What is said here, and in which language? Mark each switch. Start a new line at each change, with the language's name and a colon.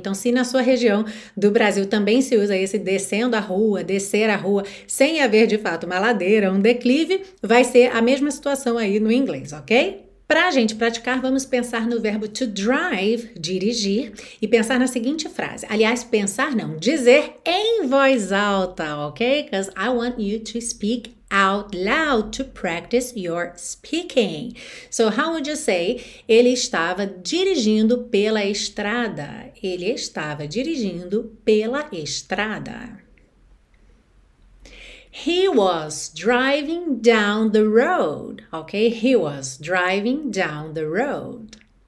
Portuguese: Então, se na sua região do Brasil também se usa esse descendo a rua, descer a rua, sem haver de fato uma ladeira, um declive, vai ser a mesma situação aí no inglês, ok? Para a gente praticar, vamos pensar no verbo to drive, dirigir, e pensar na seguinte frase. Aliás, pensar não, dizer em voz alta, ok?
English: Because I want you to speak out loud to practice your speaking. So how would you say,
Portuguese: ele estava dirigindo pela estrada? Ele estava dirigindo pela estrada.
English: He was driving down the road, ok? He was driving down the road.